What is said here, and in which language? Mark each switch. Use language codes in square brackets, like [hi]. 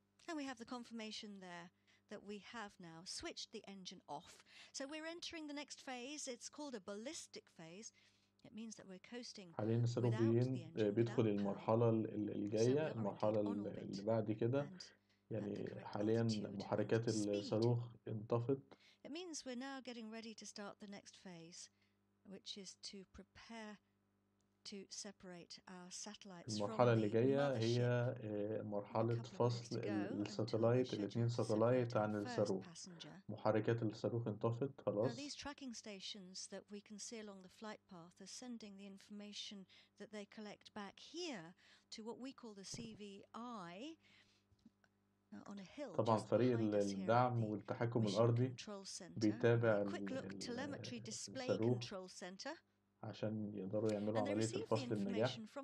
[en] And we have the confirmation there that we have now switched the engine off. So we're entering the next phase. It's called a ballistic phase. It means that we're coasting [ar] حالياً الصاروخ بيدخل المرحلة الجاية المرحلة اللي بعد كده يعني حالياً محركات الصاروخ انطفت [en] It means we're now getting ready to start the next phase which is to prepare to separate our satellites [ar] المرحلة اللي جاية هي مرحلة فصل الساتلايت الاثنين ساتلايت عن الصاروخ محركات الصاروخ انطفت خلاص [en] These tracking stations that we can see along the flight path are sending the information that they collect back here to what we call the CVI [ar] طبعا فريق الدعم والتحكم الأرضي بيتابع الصاروخ عشان يقدروا يعملوا عملية الفصل النجاح